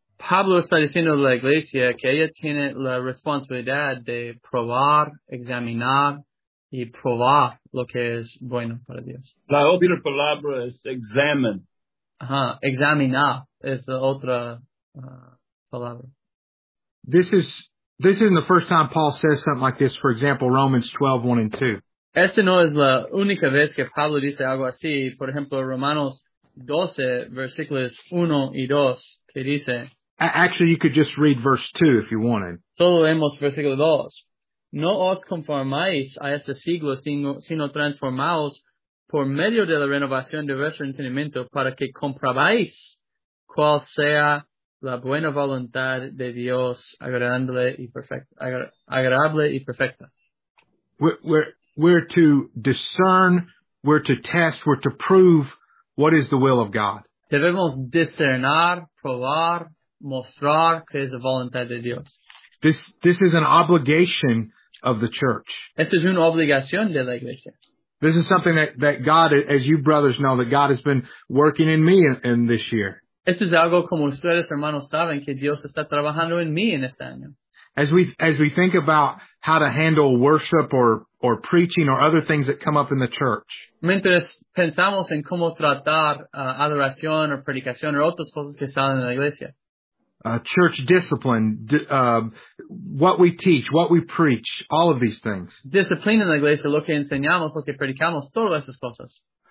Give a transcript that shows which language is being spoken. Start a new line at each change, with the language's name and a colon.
Spanish: Pablo está diciendo a la iglesia que ella tiene la responsabilidad de probar, examinar, y probar lo que es bueno para Dios. La otra palabra es examine. Ajá, examinar es la otra palabra.
English: This isn't the first time Paul says something like this. For example, Romans 12:1-2.
Spanish: Esta no es la única vez que Pablo dice algo así. Por ejemplo, Romanos 12, versículos 1 y 2, que dice...
English: Actually, you could just read verse 2 if you wanted.
Spanish: Solo leemos versículo 2. No os conformáis a este siglo, sino transformaos por medio de la renovación de vuestro entendimiento para que comprobáis cuál sea la buena voluntad de Dios agradable y perfecta.
English: We're to discern, we're to test, we're to prove what is the will of God.
Spanish: Debemos discernir, probar, mostrar que es la voluntad de Dios.
English: This is an obligation of the church.
Spanish: Esta es una obligación de la iglesia.
English: This is something that God, as you brothers know, that God has been working in me in this year.
Spanish: Esto es algo como ustedes, hermanos, saben que Dios está trabajando en mí en este año.
English: As we think about how to handle worship or preaching or other things that come up in the church.
Spanish: Mientras pensamos en cómo tratar adoración o predicación o otras cosas que salen en la iglesia.
English: Church discipline, what we teach, what we preach, all of these things.
Spanish: Disciplina en la iglesia, lo que enseñamos, lo que predicamos, todas esas cosas.